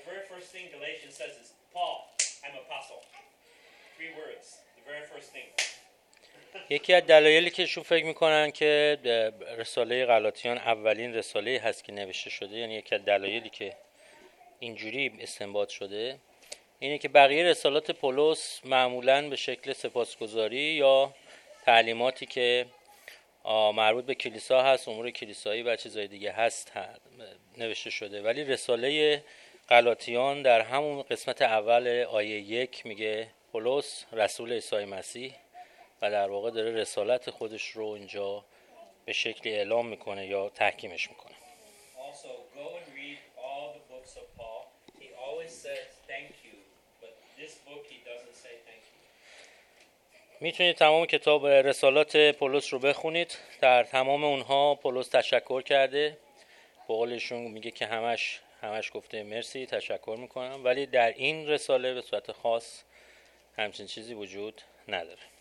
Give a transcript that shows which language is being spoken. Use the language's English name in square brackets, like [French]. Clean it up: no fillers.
[English] first thing Galatians says is, Paul, I'm apostle. Three words, the very first thing. [Persian] یکی از دلایلی که شو فکر میکنن که رساله غلاطیان اولین رساله هست که نوشته شده، یعنی یکی از دلایلی که اینجوری استنباط شده، اینه که بقیه رسالات پولس معمولاً به شکل سپاسگزاری یا تعلیماتی که مربوط به کلیسا هست، امور کلیسایی و چیزهای دیگه هست نوشته شده، ولی رساله غلاطیان در همون قسمت اول آیه 1 میگه پولس رسول عیسی مسیح، و در واقع داره رسالت خودش رو اینجا به شکلی اعلام میکنه یا تحکیمش میکنه. [English] Also, go and read all the books of Paul. He always says thank you, but this book he doesn't say thank you. [Persian] میتونید تمام کتاب رسالات پولس رو بخونید. در تمام اونها پولس تشکر کرده. به قولشون میگه که همش گفته مرسی، تشکر میکنم، ولی در این رساله به صورت خاص همچین چیزی وجود نداره.